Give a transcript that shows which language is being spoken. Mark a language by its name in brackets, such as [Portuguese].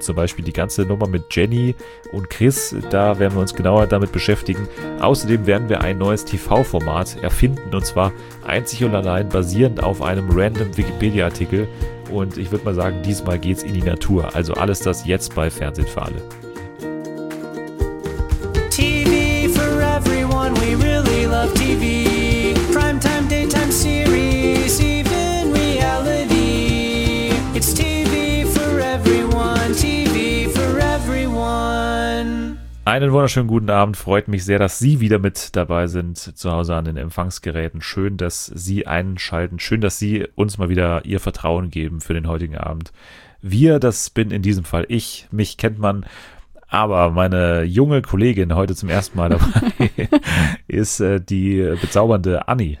[German] Zum Beispiel die ganze Nummer mit Jenny und Chris, da werden wir uns genauer damit beschäftigen. Außerdem werden wir ein neues TV-Format erfinden, und zwar einzig und allein basierend auf einem random Wikipedia-Artikel. Und ich würde mal sagen, diesmal geht's in die Natur. Also alles das jetzt bei Fernsehen für alle. [English] TV for everyone, we really love TV. Primetime, daytime series, even reality. It's TV for everyone, TV for everyone. [German] Einen wunderschönen guten Abend. Freut mich sehr, dass Sie wieder mit dabei sind zu Hause an den Empfangsgeräten. Schön, dass Sie einschalten. Schön, dass Sie uns mal wieder Ihr Vertrauen geben für den heutigen Abend. Wir, das bin in diesem Fall ich. Mich kennt man. Aber meine junge Kollegin heute zum ersten Mal dabei ist die bezaubernde Anni.